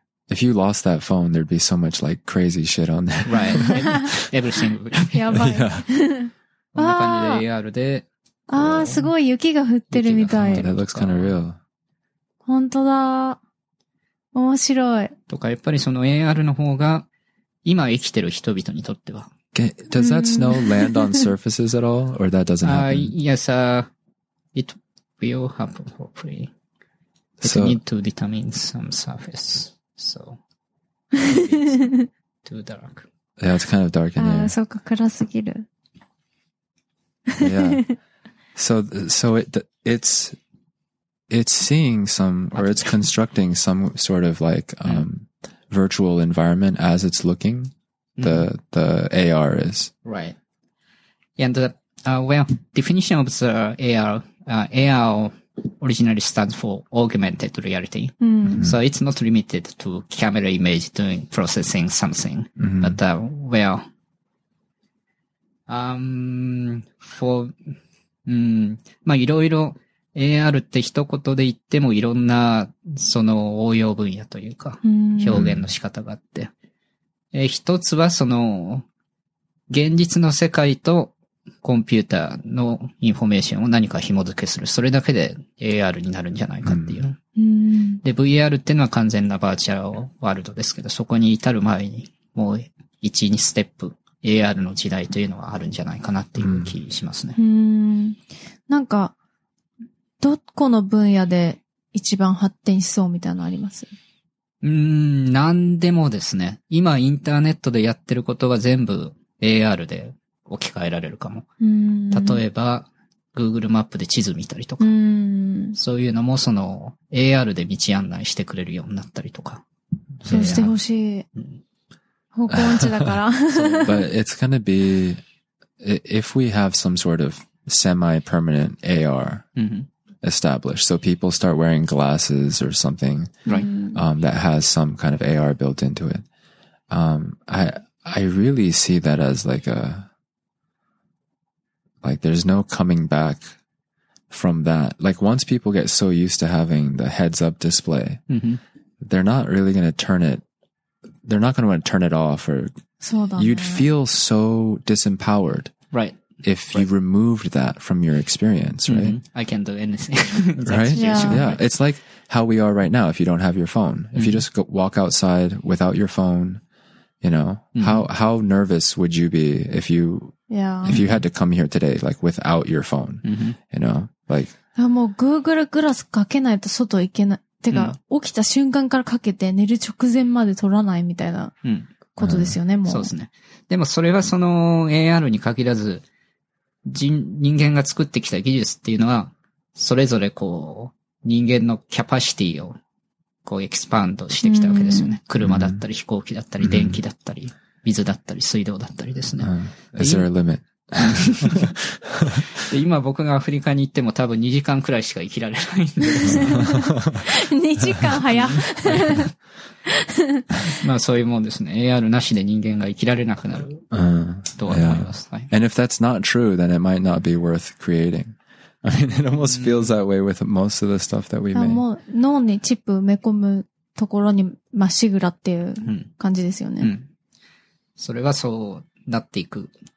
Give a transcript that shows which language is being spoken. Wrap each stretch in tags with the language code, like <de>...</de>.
<en>If you lost that phone, there'd be so much like crazy shit on there. Right. Everything.</en> <ja>やばい。こんな感じで AR で。ああ、すごい雪が降ってるみたい。</ja> <en>That looks kind of real.</en> <ja>本当だ。面白い。とか、やっぱりその AR の方が、今生きてる人々にとっては。</ja> <en>Does that snow land on surfaces at all? Or that doesn't happen? Yes, it... will happen hopefully. So, need to determine some surface. So, it's too dark. Yeah, it's kind of dark in there.</en> <ja>そうか、暗すぎる。</ja> <en>Yeah. So it's seeing some, or it's constructing some sort of like, virtual environment as it's looking, the AR is. Right. And, well, definition of the AR, AR originally stands for augmented reality. Mm. Mm-hmm. So it's not limited to camera image doing processing something. Mm-hmm. But, well,</en> <ja>いろいろ AR って一言で言ってもいろんなその応用分野というか表現の仕方があって、一つはその現実の世界とコンピューターのインフォメーションを何か紐付けする。それだけで AR になるんじゃないかっていう。で、VR ってのは完全なバーチャルワールドですけど、そこに至る前にもう1、2ステップ。 AR の時代というのはあるんじゃないかなっていう気しますね。なんか、どこの分野で一番発展しそうみたいなのあります？何でもですね。今インターネットでやってることは全部 AR で置き換えられるかも。例えば、Google マップで地図見たりとか、そういうのもその AR で道案内してくれるようになったりとか。そうしてほしい。</ja> <en>But it's gonna be, if we have some sort of semi-permanent AR established, so people start wearing glasses or something that has some kind of AR built into it, I really see that as like a, like there's no coming back from that. Like once people get so used to having the heads-up display, they're not really gonna turn it They're not going to want to turn it off or you'd feel so disempowered. Right. If you removed that from your experience, right? I can't do anything. Right? Yeah. It's like how we are right now if you don't have your phone. Mm-hmm. If you just walk outside without your phone, you know, how nervous would you be if you, if you had to come here today, like without your phone, you know, like.</en> <ja>もう Google グラスかけないと外行けない。てか、起きた瞬間からかけて寝る直前まで撮らないみたいなことですよね、もう。そうですね。でもそれはその AR に限らず、人間が作ってきた技術っていうのは、それぞれこう、人間のキャパシティをこうエキスパンドしてきたわけですよね。車だったり飛行機だったり電気だったり、水だったり水道だったりですね。</ja> <en>Is there a limit?</en> <ja>で今僕がアフリカに行っても多分2時間くらいしか生きられないんで。 2時間早まあそういうもんですね。AR なしで人間が生きられなくなると思います。</ja> <en>Yeah. And if that's not true, then it might not be worth creating. I mean, it almost feels that way with most of the stuff that we make.</en> <ja>もう脳にチップ埋め込むところにまっしぐらっていう感じですよね。それはそうなっていく。</ja>